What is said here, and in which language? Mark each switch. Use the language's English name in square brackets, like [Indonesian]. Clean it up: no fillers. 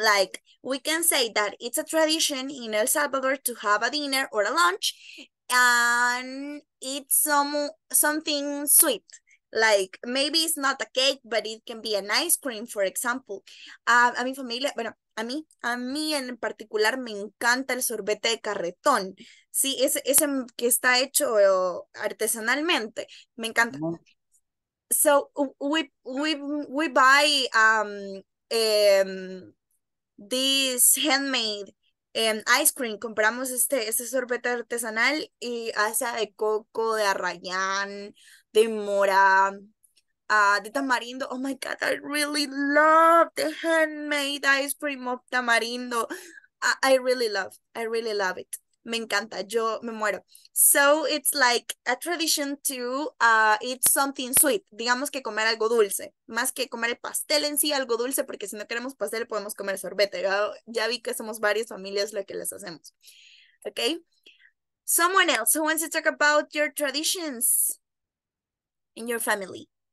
[English] Like, we can say that it's a tradition in El Salvador to have a dinner or a lunch and eat something sweet. Like, maybe it's not a cake, but it can be an ice cream, for example. [Spanish] A mi familia, bueno, a mí en particular me encanta el sorbete de carretón. Sí, ese que está hecho artesanalmente. Me encanta. No. [English] So, we buy this handmade ice cream. [Spanish] Compramos este sorbete artesanal y hace de coco, de arrayán, de mora, de tamarindo. [English] Oh my God, I really love the handmade ice cream of tamarindo. I really love it. [Spanish] Me encanta, yo me muero. [English] So it's like a tradition to eat something sweet. [Spanish] Digamos que comer algo dulce. Más que comer el pastel en sí, algo dulce, porque si no queremos pastel, podemos comer sorbete. ¿No? Ya vi que somos varias familias las que les hacemos. Okay. [English] Someone else who wants to talk about your traditions in your family.